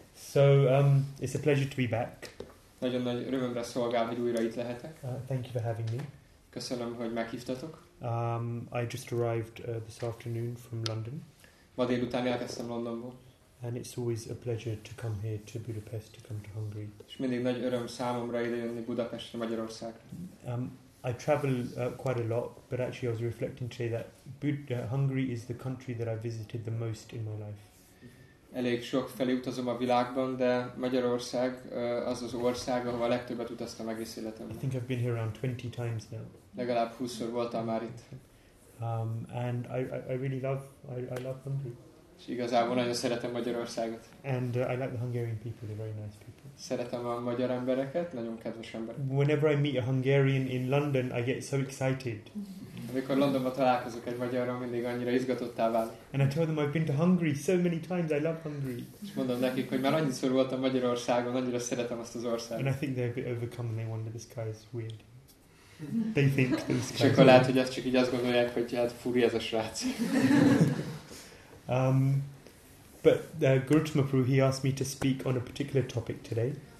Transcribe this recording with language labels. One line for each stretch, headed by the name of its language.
English: So it's a pleasure to be back.
Hungarian: Nagyon nagy örömre szolgál, hogy újra itt lehetek.
English: Thank you for having me.
Hungarian: Köszönöm, hogy meghívtatok.
English: I just arrived this afternoon from London.
Hungarian: Ma délután érkeztem Londonból.
English: And it's always a pleasure to come here to Budapest, to come to Hungary.
Hungarian: És mindig nagy öröm számomra idejönni Budapestre, Magyarországra.
English: I travel quite a lot, but actually I was reflecting today that Hungary is the country that I visited the most in my life.
Hungarian: Elég sok felé utazom a világban, de Magyarország az az ország, ahova legtöbbet utaztam egész életemben.
English: I think I've been here around 20 times now.
Hungarian: Legalább 20-szor voltam már itt.
English: And I really love Hungary.
Hungarian: És igazából nagyon szeretem Magyarországot.
English: And I like the Hungarian people, they're very nice people.
Hungarian: Szeretem a magyar embereket, nagyon kedves emberek.
English: Whenever I meet a Hungarian in London, I get so excited.
Hungarian: Amikor Londonban találkozok egy magyarral, mindig annyira izgatottá válok.
English: And I tell them I've been to Hungary so many times, I love Hungary.
Hungarian: És mondom nekik, hogy már annyiszor voltam Magyarországon, annyira szeretem azt az országot.
English: And I think they're a bit overcome and they wonder, this guy is weird. They think this guy is weird.
Hungarian: Lehet, hogy csak így azt gondolják, hogy hát furi ez a srác.
English: But Guru Tamapuru, he asked me to speak on a particular topic today.